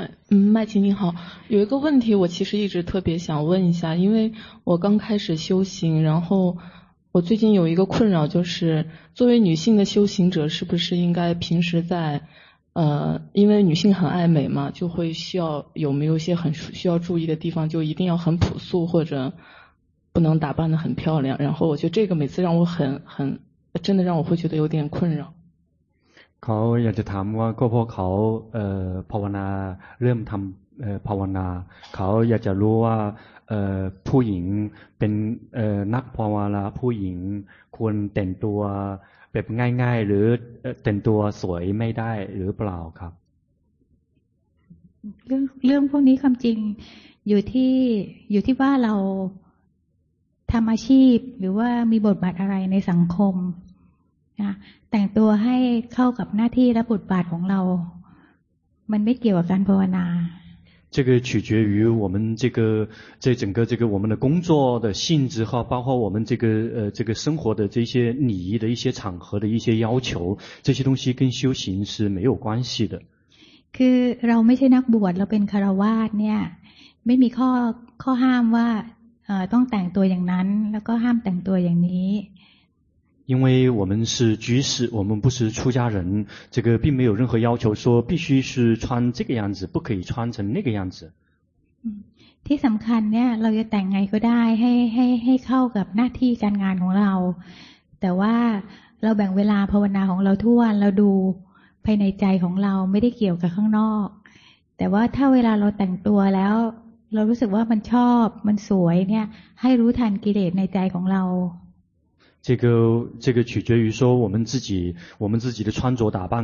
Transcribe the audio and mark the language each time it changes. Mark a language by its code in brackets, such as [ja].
[zh] 嗯，麦琪你好，有一个问题我其实一直特别想问一下，因为我刚开始修行，然后我最近有一个困扰，就是作为女性的修行者是不是应该平时在因为女性很爱美嘛，就会需要有没有一些很需要注意的地方，就一定要很朴素或者不能打扮得很漂亮，然后我觉得这个每次让我很真的让我会觉得有点困扰。 [th] เขาอยากจะถามว่าก็เพราะเขาภาวนาเริ่มทำภาวนาเขาอยากจะรู้ว่าผู้หญิงเป็นนักภาวนาผู้หญิงควรแต่งตัวแบบง่ายๆหรือแต่งตัวสวยไม่ได้หรือเปล่าครับ เรื่องพวกนี้ความจริงอยู่ที่ว่าเราทำอาชีพหรือว่ามีบทบาทอะไรในสังคมแต่งตัวให้เข้ากับหน้าที่และบทบาทของเรามันไม่เกี่ยวกับการภาวนา [zh] 这个取决于我们这个这整个这个我们的工作的性质和包括我们这个这个生活的这些礼仪的一些场合的一些要求，这些东西跟修行是没有关系的。 [th] คือเราไม่ใช่นักบวชเราเป็นคารวาสเนี่ยไม่มีข้อห้ามว่าต้องแต่งตัวอย่างนั้นแล้วก็ห้ามแต่งตัวอย่างนี้ [zh] 因为我们是居士，我们不是出家人，这个并没有任何要求说必须是穿这个样子，不可以穿成那个样子。 [th] 嗯，ที่สำคัญเนี่ยเราจะแต่งไงก็ได้ให้เข้ากับหน้าที่การงานของเราแต่ว่าเราแบ่งเวลาภาวนาของเราทุกวันเราดูภายในใจของเราไม่ได้เกี่ยวกับข้างนอกแต่ว่าถ้าเวลาเราแต่งตัวแล้วเรารู้สึกว่ามันชอบมันสวยเนี่ยให้รู้ทันกิเลสในใจของเรา เจ้าขึ้นอยู่กับว่าเราเองเสื้อผ้าการแต่งกายกับเราเองตำแหน่งตัว